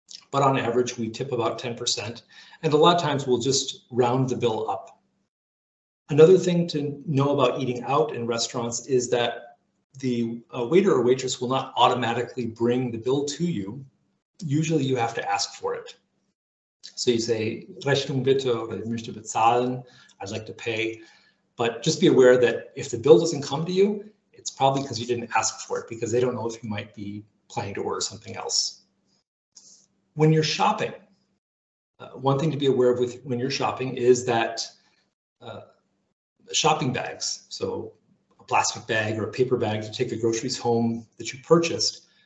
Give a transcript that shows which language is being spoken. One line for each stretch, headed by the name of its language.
English: But on average, we tip about 10%. And a lot of times we'll just round the bill up. Another thing to know about eating out in restaurants is that the waiter or waitress will not automatically bring the bill to you. Usually you have to ask for it. So you say,
German: Rechnung bitte, oder ich möchte bezahlen,
English: I'd like to pay. But just be aware that if the bill doesn't come to you, it's probably because you didn't ask for it, because they don't know if you might be planning to order something else. When you're shopping, one thing to be aware of with when you're shopping is that shopping bags, so a plastic bag or a paper bag to take the groceries home that you purchased,